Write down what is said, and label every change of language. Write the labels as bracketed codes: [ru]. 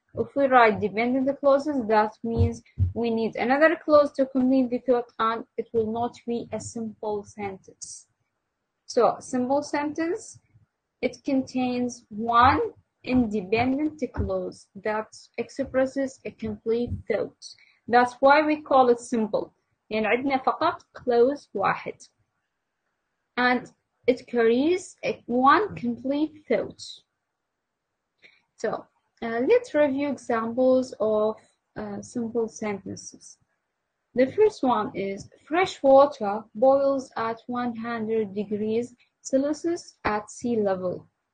[en] If we write dependent clauses, that means we need another clause to complete the thought, and it will not be a simple sentence. So simple sentence, it contains one independent clause that expresses a complete thought. That's why we call it simple. [ar] يعني عندنا فقط clause واحد. [en] And it carries one complete thought. So let's review examples of simple sentences. The first one is fresh water boils at 100 degrees Celsius at sea level.